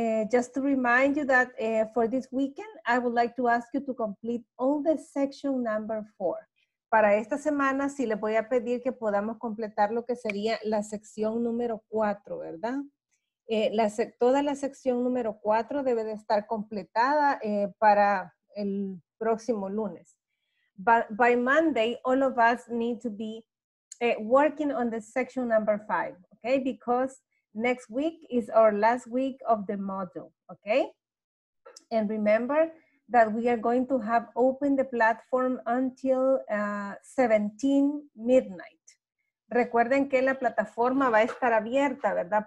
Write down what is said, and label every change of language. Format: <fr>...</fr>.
<en>Just to remind you that for this weekend, I would like to ask you to complete all the section number 4.</en> <es>Para esta semana, sí les voy a pedir que podamos completar lo que sería la sección número 4, ¿verdad? Toda la sección número 4 debe de estar completada para el próximo lunes.</es> <en>But by Monday, all of us need to be working on the section number 5, okay? Because next week is our last week of the module, okay? And remember that we are going to have open the platform until 17 midnight.</en> <es>Recuerden que la plataforma va a estar abierta, ¿verdad?</es>